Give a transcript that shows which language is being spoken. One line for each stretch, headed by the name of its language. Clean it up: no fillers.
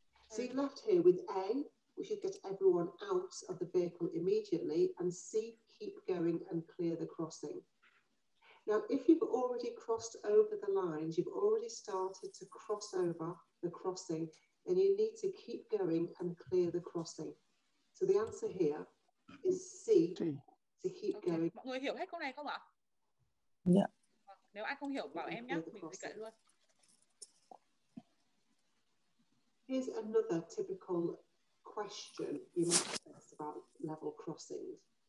English: So you're left here with A, we should get everyone out of the vehicle immediately, and C, keep going and clear the crossing. Now, if you've already crossed over the lines, you've already started to cross over the crossing, then you need to keep going and clear the crossing. So the answer here is C, to keep okay. going.
Vietnamese: Mọi người hiểu hết câu này không ạ? Dạ. Yeah. Nếu ai không hiểu, bảo em nhé, mình sẽ dạy luôn.
English: Here's another typical question you might ask about level crossings.